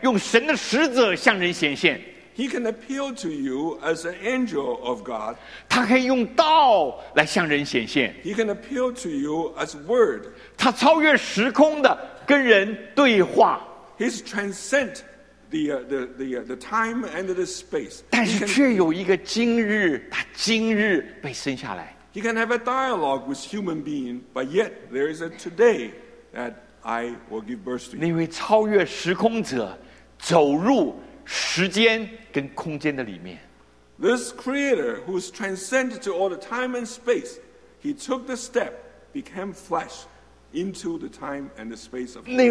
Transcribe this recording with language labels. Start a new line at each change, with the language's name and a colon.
Chinese: 他可以在用神的使者向人显现。
English: He can appeal to you as an angel of God.
Chinese: 他可以用道来向人显现。
English: He can appeal to you as word.
Chinese: 他超越时空的跟人对话。
English: He's transcend the time and the space.
Chinese: 但是却有一个今日，他今日被生下来。
English: He can have a dialogue with human being, but yet there is a today that I will give birth to.
Chinese: 那位超越时空者走入时间跟空间的里面。
English: This creator who is transcended to all the time and space, he took the step, became flesh into the time and the space of.